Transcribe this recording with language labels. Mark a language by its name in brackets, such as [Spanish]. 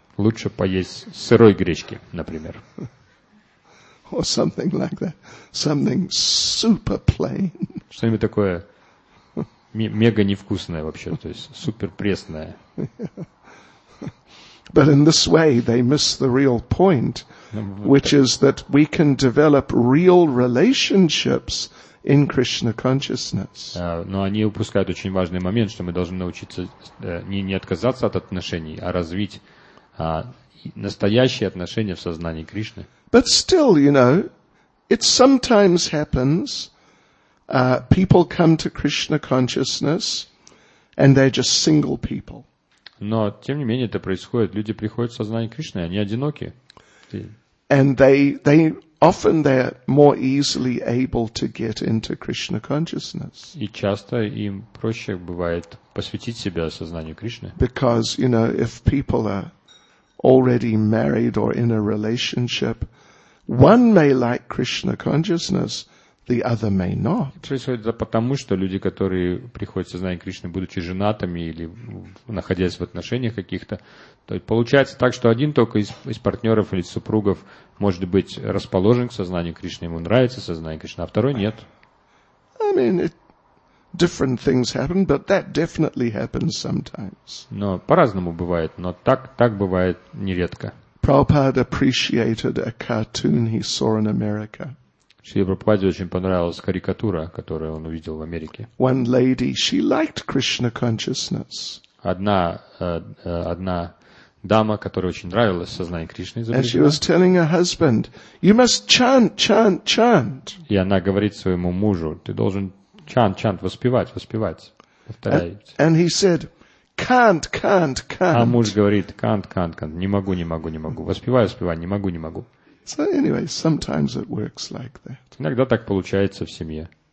[Russian] Лучше поесть сырой гречки, например. [English] Or something like that, something super plain. [Russian] Что-нибудь такое мега невкусное вообще, то есть супер пресное. [English] But in this way, they miss the real point, which is that we can develop real relationships in Krishna consciousness. [Russian] Но они упускают очень важный момент, что мы должны научиться не отказаться от отношений, а развить настоящие отношения в сознании Кришны. [English] But still, you know, it sometimes happens, people come to Krishna consciousness and they're just single people. [Russian] Но тем не менее это происходит. Люди приходят в сознание Кришны, они одиноки. [English] And they often they're more easily able to get into Krishna consciousness. [Russian] И часто им проще бывает посвятить себя сознанию Кришны. [English] Because, you know, if people are already married or in a relationship, one may like Krishna consciousness, the other may not. [Russian] Происходит это потому, что люди, которые приходят в сознание Кришны, будучи женатыми или находясь в отношениях каких-то, то получается так, что один только из партнеров или супругов может быть расположен к сознанию Кришны, ему нравится сознание Кришны, а второй нет. [English] I mean, different things happen, but that definitely happens sometimes. [Russian] Но по-разному бывает, но так бывает нередко. [English] Prabhupada appreciated a cartoon he saw in America. [Russian] Шри Прабхупаде очень понравилась карикатура, которую он увидел в Америке. [English] One lady, she liked Krishna consciousness. [Russian] Одна дама, которой очень нравилось сознание Кришны, изобрела. [English] And she was telling her husband, you must chant. [Russian] И она говорит своему мужу, ты должен чант, воспевать, повторяйте. [English] And he said, can't. [Russian] А муж говорит, [English] can't, [Russian] не могу, воспеваю, не могу. [English] So anyway, sometimes it works like that. [Russian] Иногда так получается в семье.